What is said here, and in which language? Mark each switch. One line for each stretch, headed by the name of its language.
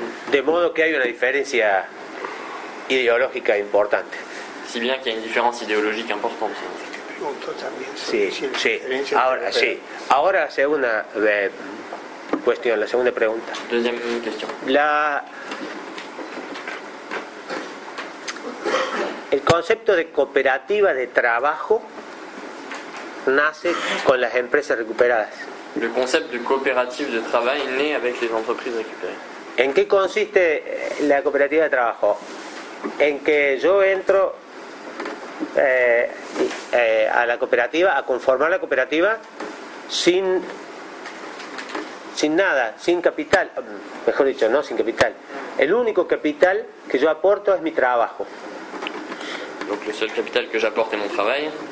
Spanish: De modo que hay una diferencia ideológica importante.
French: Si bien qu'il y a une différence idéologique importante.
Spanish: Sí. Ahora la segunda cuestión, la segunda pregunta.
French: Deuxième question.
Spanish: El concepto de cooperativa de trabajo nace con las empresas recuperadas.
French: Le concept de coopérative de travail naît avec les entreprises récupérées.
Spanish: ¿En qué consiste la cooperativa de trabajo? En que yo entro a la cooperativa, a conformar la cooperativa sin nada, sin capital, mejor dicho, no sin capital. El único capital que yo aporto es mi trabajo.
French: Donc le seul capital que j'apporte est mon travail.